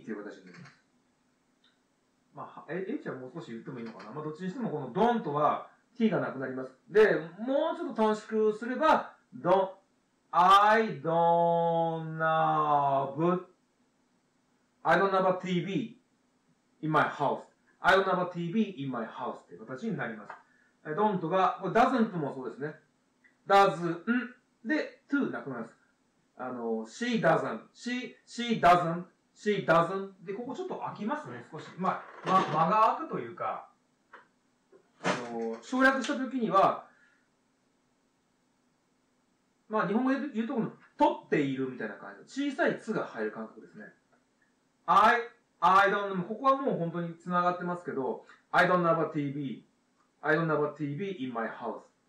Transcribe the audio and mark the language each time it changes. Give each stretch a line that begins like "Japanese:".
Japanese: っていう形になります。まあ、A ちゃんもう少し言ってもいいのかな。まあ、どっちにしてもこの don't は T がなくなります。で、もうちょっと短縮すれば、
English: I don't have, I don't have a TV in my house. I don't have a TV in my house
Japanese: っていう形になります。 don't が、これ doesn't もそうですね。doesn't で to なくなります。
English: she doesn't, she doesn't, she doesn't
Japanese: で、ここちょっと空きますね、少し。まあ、間が空くというか、省略したときには、まあ、日本語で言うとこの、とっているみたいな感じの小さい to が入る感覚ですね。
English: I don't know.
Japanese: ここはもう本当に繋がってますけど、
English: I don't have a TV. I don't have a TV in my house.